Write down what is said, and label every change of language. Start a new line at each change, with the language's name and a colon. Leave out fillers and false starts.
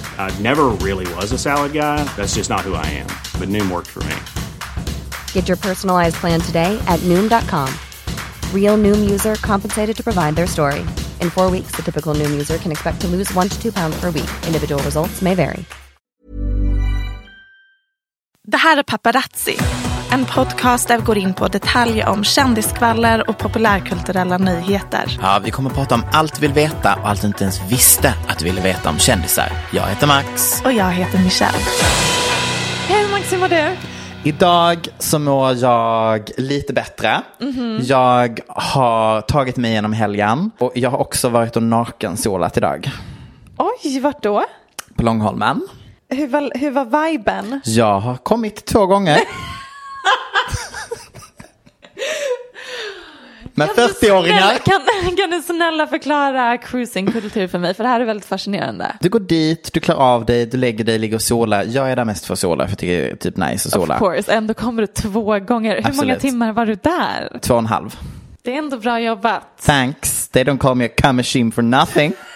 English: I never really was a salad guy. That's just not who I am. But Noom worked for me. Get your personalized plan today at Noom.com. Real Noom user compensated to provide their story. In 4 weeks, the typical Noom user can expect to lose 1 to 2 pounds per week. Individual results may vary.
Swedish: Det här är Paparazzi, en podcast där vi går in på detaljer om kändiskvaller och populärkulturella nyheter. Ja, vi kommer prata om allt vi vill veta och allt vi inte ens visste att vi ville veta om kändisar. Jag heter Max. Och jag heter Michelle. Hej Max, hur mår du? Idag så mår jag lite bättre. Mm-hmm. Jag har tagit mig igenom helgen och jag har också varit och nakensolat idag. Oj, vart då? På Långholmen. Hur var viben? Jag har kommit 2 gånger. Med 40-åringar. Kan du snälla förklara cruisingkultur för mig? För det här är väldigt fascinerande. Du går dit, du klarar av dig, du lägger dig, ligger och sola. Jag är där mest för att sola, för jag tycker det är typ nice att sola.
English: Of course,
Swedish: ändå kommer du 2 gånger. Hur Absolut. Många timmar var du där? 2,5. Det är ändå bra jobbat.
English: Thanks, they don't call me a cum machine for nothing.